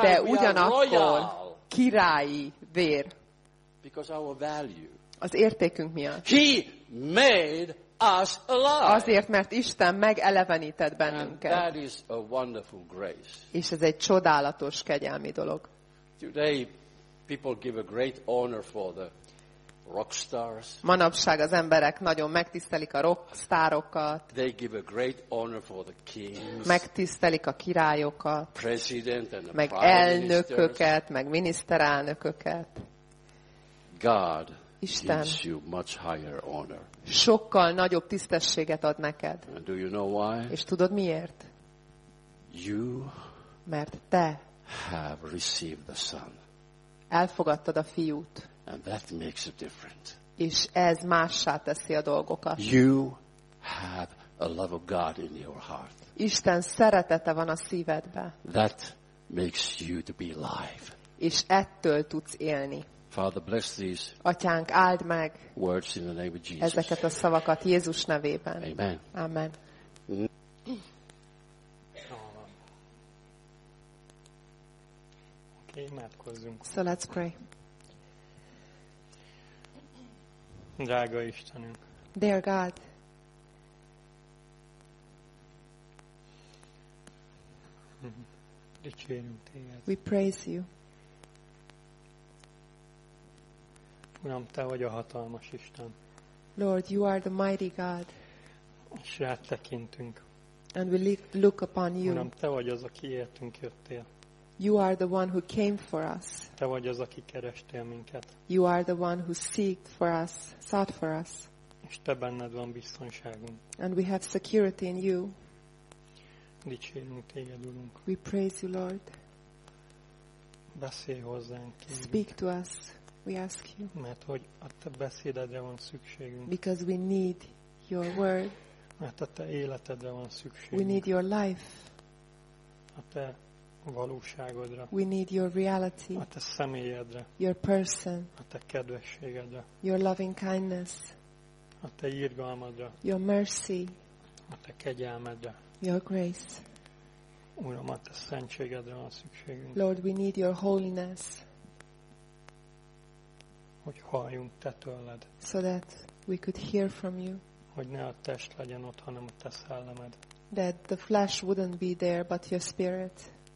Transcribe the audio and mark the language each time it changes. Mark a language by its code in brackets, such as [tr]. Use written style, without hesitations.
[hu] de ugyanakkor királyi vér. [en] Because our value. [hu] Az értékünk miatt. [en] He made us alive. [hu] Azért, mert Isten megelevenített bennünket. [en] And that is a wonderful grace. [hu] És ez egy csodálatos kegyelmi dolog. [en] Today people give a great honor for the rock stars. [hu] Manapság az emberek nagyon megtisztelik a rock sztárokat. [en] They give a great honor for the kings. [hu] Megtisztelik a királyokat. [en] President and [hu] meg elnököket, meg miniszterelnököket. [en] God [hu] Isten [en] gives you much higher honor. [hu] Sokkal nagyobb tisztességet ad neked. [en] And do you know why? [hu] És tudod miért? [en] You [hu] mert te [en] have received the Son. [hu] Elfogadtad a fiút. [en] And that makes a difference. [hu] És ez mássá teszi a dolgokat. [en] You have a love of God in your heart. [hu] Isten szeretete van a szívedben. [en] That makes you to be alive. [hu] És ettől tudsz élni. [en] Father, bless these. [hu] Atyánk, áld meg. [en] Words in the name of Jesus. [hu] Ezeket a szavakat Jézus nevében. [en] Amen. [hu] Amen. Imádkozzunk. [en] So let's pray. [hu] Drága Istenünk. [en] Dear God. [hu] Dicsérünk téged. [en] We praise you. [hu] Uram, te vagy a hatalmas Isten. [en] Lord, you are the mighty God. [hu] És rád tekintünk. [en] And we look upon you. [hu] Uram, te vagy az, aki értünk jöttél. [en] You are the one who came for us. [hu] Te vagy az, aki kerestél minket. [en] You are the one who seeked for us, sought for us. [hu] És te benned van biztonságunk. [en] And we have security in you. [hu] Dicsérünk téged, Urunk. [en] We praise you, Lord. [hu] Beszélj hozzánk. [en] Speak to us, we ask you. [hu] Mert hogy a te beszédedre van szükségünk. [en] Because we need your word. [hu] Mert a te életedre van szükségünk. [en] We need your life. [hu] A te valóságodra. [en] We need your reality. [hu] A te személyedre. [en] Your person. [hu] A te kedvességedre. [en] Your loving kindness. [hu] A te irgalmadra. [en] Your mercy. [hu] A te kegyelmedre. [en] Your grace. [hu] Uram, a te szentségedre van szükségünk. [en] Lord, we need your holiness. [hu] Hogy halljunk te tőled. [en] So that we could hear from you. [hu] Hogy ne a test legyen ott, hanem a te szellemed. [en] That the flesh wouldn't be there, but your spirit.